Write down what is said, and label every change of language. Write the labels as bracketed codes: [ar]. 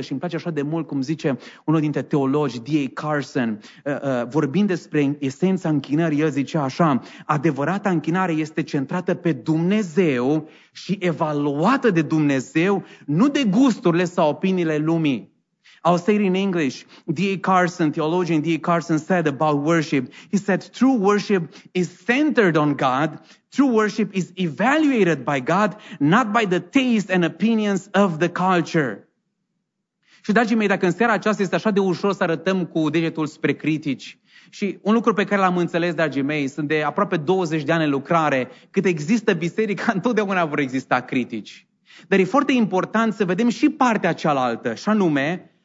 [ro] Și îmi place așa de mult cum zice unul dintre teologi, D.A. Carson, vorbind despre esența închinării, el zice așa, adevărata închinare este centrată pe Dumnezeu și evaluată de Dumnezeu, nu de gusturile sau opiniile lumii. [en] I'll say it in English. D.A. Carson, theologian D.A. Carson said about worship. He said, true worship is centered on God. True worship is evaluated by God, not by the taste and opinions of the culture. [ro] Și, dragii mei, dacă în seara aceasta este așa de ușor să arătăm cu degetul spre critici, și un lucru pe care l-am înțeles, dragii mei, sunt de aproape 20 de ani în lucrare, cât există biserica, întotdeauna vor exista critici. Dar e foarte important să vedem și partea cealaltă, și anume,